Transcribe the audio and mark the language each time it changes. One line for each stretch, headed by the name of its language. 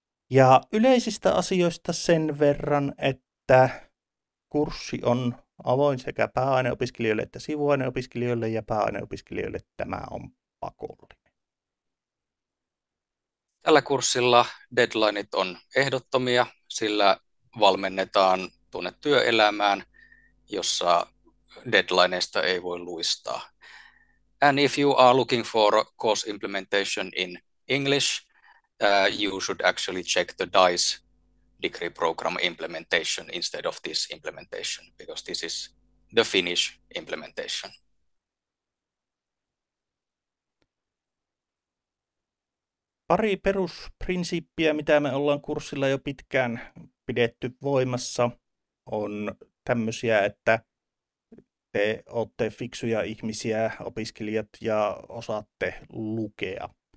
Finnish: Ja yleisistä asioista sen verran, että kurssi on avoin sekä pääaineopiskelijoille että sivuaineopiskelijoille ja pääaineopiskelijoille tämä on pakollinen. Tällä kurssilla deadlineit on ehdottomia, sillä valmennetaan tuonne työelämään, jossa deadlineista ei voi luistaa.
English: And if you are looking for course implementation in English, you should actually check the DICE degree program implementation instead of this implementation, because this is the Finnish implementation.
Finnish: Pari perusprinsiippiä, mitä me ollaan kurssilla jo pitkään pidetty voimassa, on tämmöisiä, että te olette fiksuja ihmisiä, opiskelijat, ja osaatte lukea.